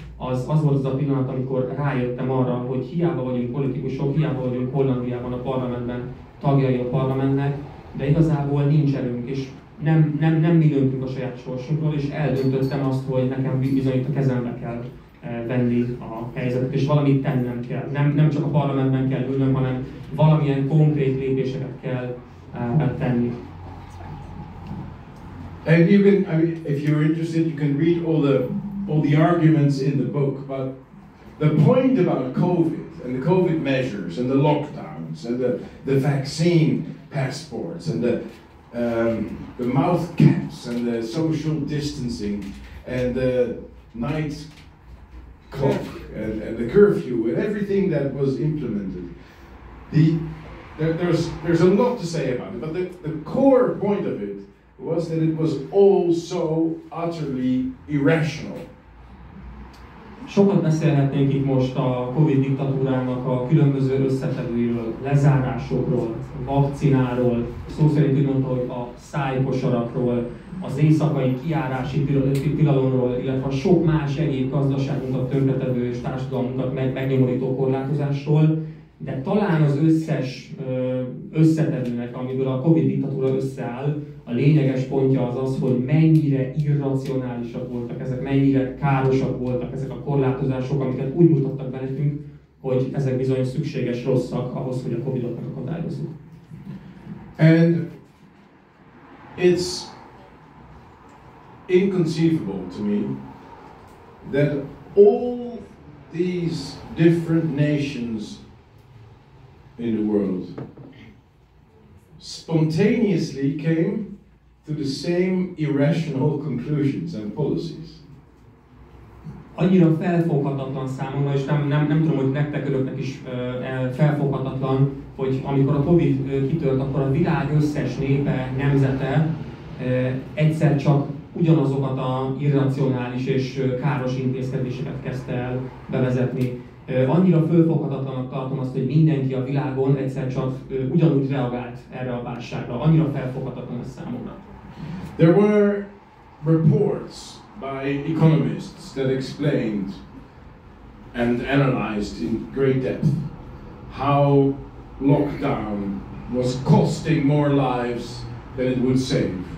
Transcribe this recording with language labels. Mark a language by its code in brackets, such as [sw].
[hu] Az volt az a pillanat, amikor rájöttem arra, hogy hiába vagyunk politikusok, hiába vagyunk Hollandiában a parlamentben tagjai a parlamentnek, de igazából nincs erőnk. Nem mi döntünk a saját sorsunkról, és eldöntöttem azt, hogy nekem bizony a kezembe kell venni a helyzetet, és valamit tennem kell. Nem csak a parlamentben kell ülnöm, hanem valamilyen konkrét lépéseket kell tenni. [en] And you can, I mean, if you're interested, you can read all the arguments in the book, but the point about COVID and the COVID measures and the lockdowns and the vaccine passports and the mouth caps and the social distancing and the night clock and the curfew and everything that was implemented. There's a lot to say about it, but the core point of it was that it was all so utterly irrational. [hu] Sokat beszélhetnénk itt most a Covid diktatúrának a különböző összetevőiről, lezárásokról, vakcináról, szó szerint úgy mondta, hogy a szájkosarakról, az éjszakai kiárási tilalomról, illetve a sok más egyéb gazdaságunkat tönkretevő és társadalmunkat megnyomorító korlátozásról, de talán az összes összetevőnek, amiből a Covid diktatúra összeáll, a lényeges pontja az az, hogy mennyire irracionálisak voltak ezek, mennyire károsak voltak ezek a korlátozások, amiket úgy mutattak be nekünk, hogy ezek bizony szükséges rosszak ahhoz, hogy a Covid-ot megakadályozzuk. [en] And it's inconceivable to me that all these different nations in the world spontaneously came to the same irrational conclusions and policies. [hu] Annyira felfoghatatlan számomra, és nem tudom, hogy nektek öröknek is felfoghatatlan, hogy amikor a Covid kitört, akkor a világ összes népe, nemzete egyszer csak ugyanazokat a irracionális és káros intézkedéseket kezdte el bevezetni. Annyira fölfoghatatlanak tartom azt, hogy mindenki a világon egyszer csak ugyanúgy reagált erre a válságra. Annyira felfoghatatlan ez számomra. [en] There were reports by economists that explained and analyzed in great depth how lockdown was costing more lives than it would save.